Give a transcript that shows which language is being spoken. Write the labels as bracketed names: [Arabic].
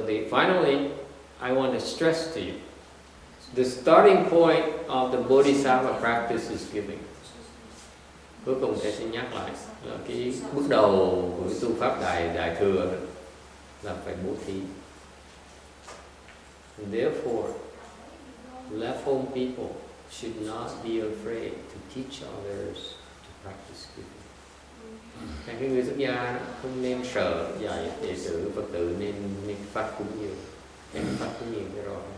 [English] Finally, I want to stress to you, the starting point of the Bodhisattva practice is giving. [Vietnamese] Cuối cùng thầy xin nhắc lại là cái bước đầu của tu pháp đại thừa là phải bố thí. [English] And therefore, left home people should not be afraid to teach others to practice giving. [Vietnamese] Thành cái người xuất gia không nên sợ dạy đệ tử Phật tử nên phát cúng nhiều, em phát cúng nhiều cái rồi.